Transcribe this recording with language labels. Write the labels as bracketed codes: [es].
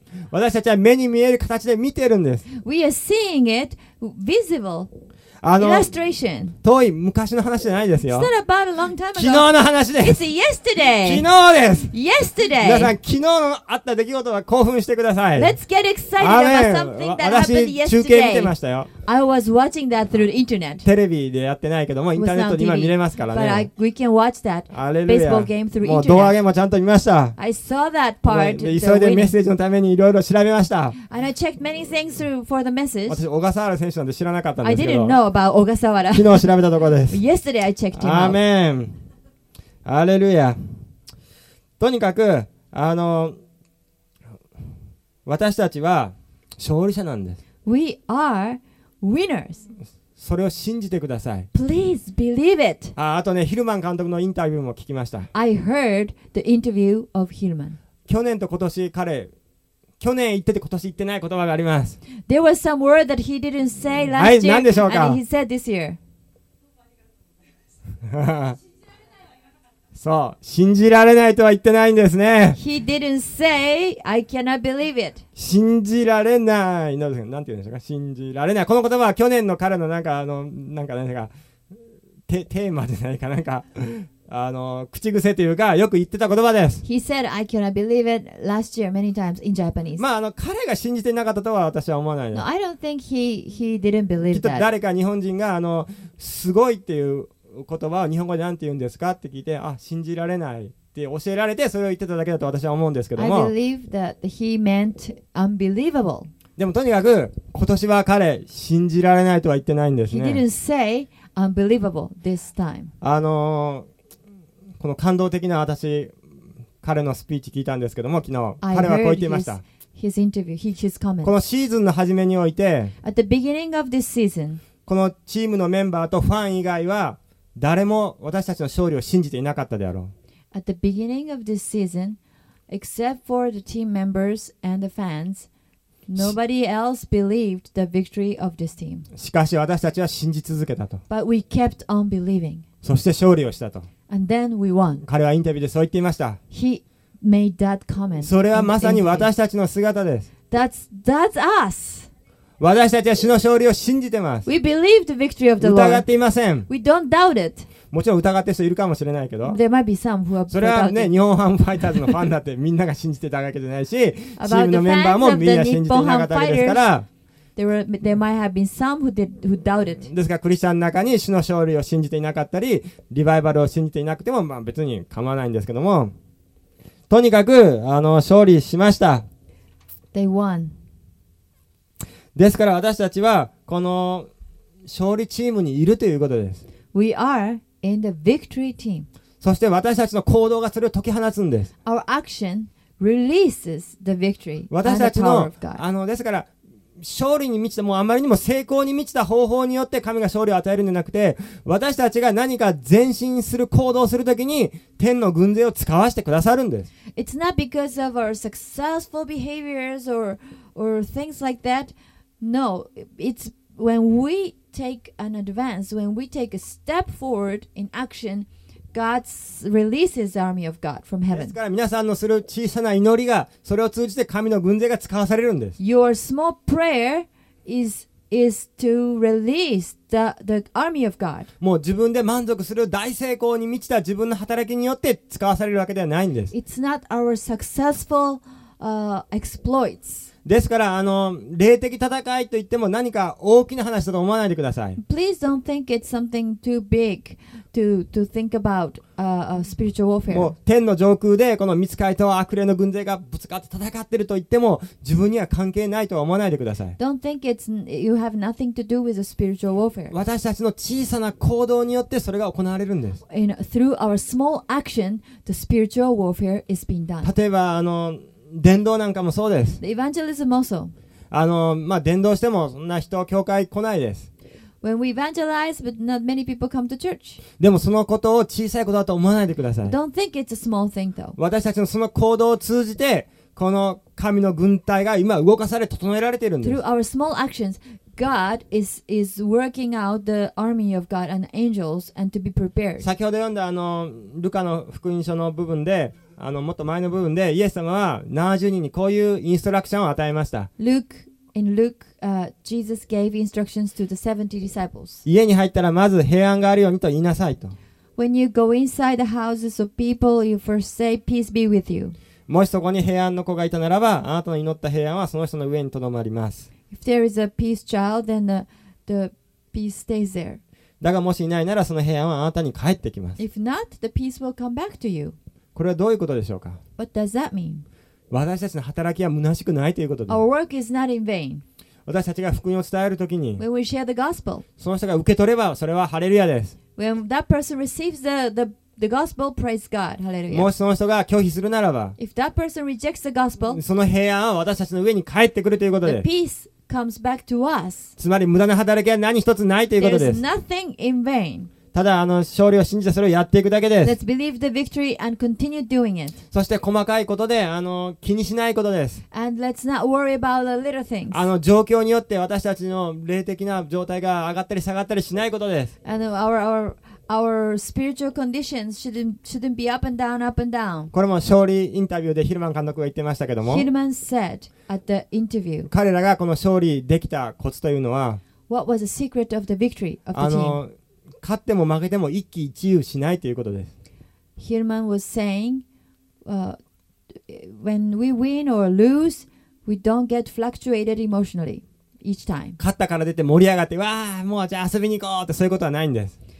[ja] 私たちは目に見える形で見てるんです。 [en] We are seeing it visible. Illustration. [ja] 遠い昔の話じゃないですよ。 [en] It's not about a long time ago. [ja] 昨日の話です。 [en] It's yesterday. [ja] 昨日です。 [en] Yesterday. [ja] 皆さん、昨日のあった出来事は興奮してください。 [en] Let's get excited about something that happened yesterday. [ja] 私、中継見てましたよ。 [en] I was watching that through the internet. [ja] テレビでやってないけども、インターネットで今見れますからね。 [en] But we can watch that baseball game through internet. [ja] もう胴上げもちゃんと見ました。 [en] I saw that part. [ja] で、急いでメッセージのためにいろいろ調べました。 [en] And I checked many things through for the message. [ja] 私、小笠原選手なんて知らなかったんですけど。 [en] I didn't know about 小笠原。 [ja] 昨日調べたところです。 [en] Yesterday I checked him out. [ja] アーメン。アレルヤ。とにかく、あの、私たちは勝利者なんです。 [en] We are... Winners. [ja] それを信じてください。 [en] Please believe it. [ja] あとね、ヒルマン監督のインタビューも聞きました。 [en] I heard the interview of Hillman. [ja] 去年と今年彼、去年言ってて今年言ってない言葉があります。 [en] There was some word that he didn't say last year. [ja] はい、何でしょうか。 [en] And he said this year. [ja] そう、信じられないとは言ってないんですね。 [en] He didn't say, I cannot believe it. [ja] 信じられない。なんて言うんでしょうか、信じられない。この言葉は去年の彼のなんか、あの、なんか何か、テーマじゃないかなんか、あの口癖というかよく言ってた言葉です。 [en] He said I cannot believe it last year many times in Japanese. [ja] まああの彼が信じてなかったとは私は思わない。 [en] No, I don't think he didn't believe that. [ja] きっと誰か日本人があのすごいっていう言葉を日本語で何て言うんですかって聞いて、あ、信じられないって教えられてそれを言ってただけだと私は思うんですけども、 [en] I believe that he meant unbelievable. [ja] でもとにかく今年は彼信じられないとは言ってないんですね。 [en] He didn't say unbelievable this time. [ja] この感動的な私彼のスピーチ聞いたんですけども、昨日彼はこう言っていました。 [en] his interview, his comments. [ja] このシーズンの初めにおいて [en] At the beginning of this season, [ja] このチームのメンバーとファン以外は誰も私たちの勝利を信じていなかったであろう。 [en] At the beginning of this season, except for the team members and the fans, nobody else believed the victory of this team. [ja] しかし私たちは信じ続けたと。 [en] But we kept on believing. [ja] そして勝利をしたと。 [en] And then we won. [ja] 彼はインタビューでそう言っていました。 [en] He made that comment. [ja] それはまさに私たちの姿です。 [en] That's us. [ja] 私たちは主の勝利を信じてます。 [en] We believe the victory of the Lord. [ja] 疑っていません。 [en] We don't doubt it. [ja] もちろん疑っている人いるかもしれないけど、 [en] There might be some who have [ja] それはね、日本ハムファイターズのファンだってみんなが信じてたわけじゃないし、チームのメンバーもみんな信じていなかったわけですから、 [en] There might have been some who doubted. [ja] ですからクリスチャンの中に主の勝利を信じていなかったりリバイバルを信じていなくても、まあ、別に構わないんですけども、とにかくあの勝利しました。 [en] They won. [ja] ですから私たちはこの勝利チームにいるということです。 [en] We are in the victory team. [ja] そして私たちの行動がそれを解き放つんです。 [en] Our action releases the victory and the power of God. [ja] 私たちの、あのですから勝利に満ちた、もうあまりにも成功に満ちた方法によって神が勝利を与えるんじゃなくて、私たちが何か前進する行動をするときに天の軍勢を使わせてくださるんです。 [en] It's not because of our successful behaviors or things like that. No, it's when we take an advance, when we take a step forward in action, God releases the army of God from heaven. [ja] ですから皆さんのする小さな祈りがそれを通じて神の軍勢が使わされるんです。 [en] Your small prayer is to release the army of God. [ja] もう自分で満足する大成功に満ちた自分の働きによって使わされるわけではないんです。 [en] It's not our successful exploits. [ja] ですからあの霊的戦いといっても何か大きな話だと思わないでください。 [en] Please don't think it's something too bigto think about spiritual warfare. [ja] もう天の上空でこの御使いと悪霊の軍勢がぶつかって戦ってると言っても自分には関係ないとは思わないでください。 [en] Don't think it's you have nothing to do with the spiritual warfare. [ja] 私たちの小さな行動によってそれが行われるんです。 [en] In, through our small action, the spiritual warfare is being done. [ja] 例えばあの伝道なんかもそうです。 [en] The evangelism also. [ja] あの、まあ、伝道してもそんな人教会来ないです。 [en] When we evangelize, but not many people come to church. [ja] でもそのことを小さいことだと思わないでください。 [en] Don't think it's a small thing, though. [ja] 私たちのその行動を通じてこの神の軍隊が今動かされ整えられているんです。 [en] Through our small actions, God is working out the army of God and angels and to be prepared. [ja] 先ほど読んだあのルカの福音書の部分で、あのもっと前の部分でイエス様は70人にこういうインストラクションを与えました。 [en] In Luke, Jesus gave instructions to the 70 disciples. [ja] 家に入ったらまず平安があるようにと言いなさいと。 [en] When you go inside the houses of people, you first say, "Peace be with you." [ja] もしそこに平安の子がいたならば、あなたの祈った平安はその人の上にとどまります。 [en] If there is a peace child, then the peace stays there. [ja] だがもしいないならその平安はあなたに返ってきます。 [en] If not, the peace will come back to you. [ja] これはどういうことでしょうか。 [en] What does that mean? [ja] 私たちの働きは虚しくないということです。 [en] Our work is not in vain. [ja] 私たちが福音を伝えるときに、 [en] When we share the gospel, [ja] その人が受け取ればそれはハレルヤです。 [en] When that person receives the gospel, praise God, hallelujah. [ja] もしその人が拒否するならば、 [en] If that person rejects the gospel, [ja] その平安は私たちの上に返ってくるということです。 [en] The peace comes back to us. [ja] つまり無駄な働きは何一つないということです。 [en] There's nothing in vain. [ja] ただあの勝利を信じてそれをやっていくだけです。 [en] Let's believe the victory and continue doing it. [ja] そして細かいことであの気にしないことです。 [en] And let's not worry about the little things. [ja] あの状況によって私たちの霊的な状態が上がったり下がったりしないことです。 [en] And our spiritual conditions shouldn't be up and down, up and down. [ja] これも勝利インタビューでヒルマン監督が言ってましたけども、 [en] Hillman said at the interview. [ja] 彼らがこの勝利できたコツというのは、 [en] What was the secret of the victory of the team? [ja] 勝っても負けても一喜一憂しないということです。 [en] Hillman was saying, when we win or lose, we don't get fluctuated emotionally each time. [ja] 勝ったから出て盛り上がって、わあ、もうじゃあ遊びに行こうってそういうことはないんです。